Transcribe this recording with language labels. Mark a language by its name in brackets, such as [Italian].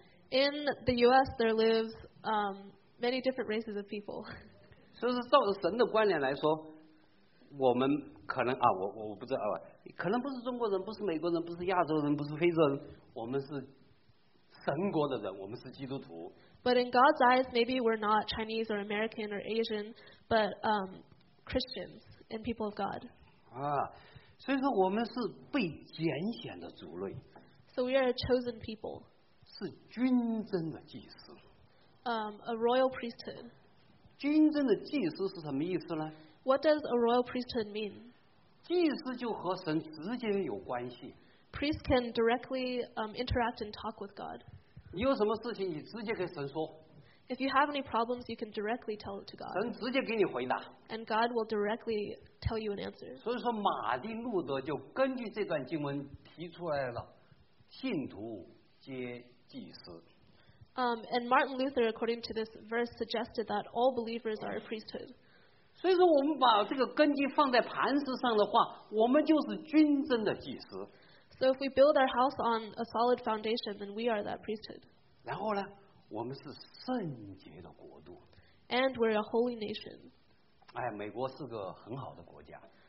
[English] In the U.S. there lives many different races of people. [Chinese] 所以照着神的观点来说。我们可能啊我不知道啊可能不是中国人不是美国人不是亚洲人不是非洲人我们是神国的人我们是基督徒 [English] But in God's eyes, maybe we're not Chinese or American or Asian, but Christians and people of God. [Chinese] 啊，所以说我们是被拣选的族类。 [English] So we are a chosen people. [Chinese] 是君尊的祭司。 [English] A royal priesthood. [Chinese] 君尊的祭司是什么意思呢？ [English] What does a royal priesthood mean? [Chinese] 祭司就和神直接有关系。 [English] Priests can directly interact and talk with God. [Chinese] 你有什么事情，你直接跟神说。 [English] If you have any problems, you can directly tell it to God. [Chinese] 神直接给你回答。 [English] And God will directly tell you an answer. [Chinese] 所以说，马丁路德就根据这段经文提出来了，信徒皆祭司。 [English] And Martin Luther, according to this verse, suggested that all believers are a priesthood. [Chinese] 所以说，我们把这个根基放在磐石上的话，我们就是君尊的祭司。 [English] So if we build our house on a solid foundation, then we are that priesthood. [Chinese] 然后呢，我们是圣洁的国度。 [English] And we're a holy nation. [Chinese] 哎，美国是个很好的国家。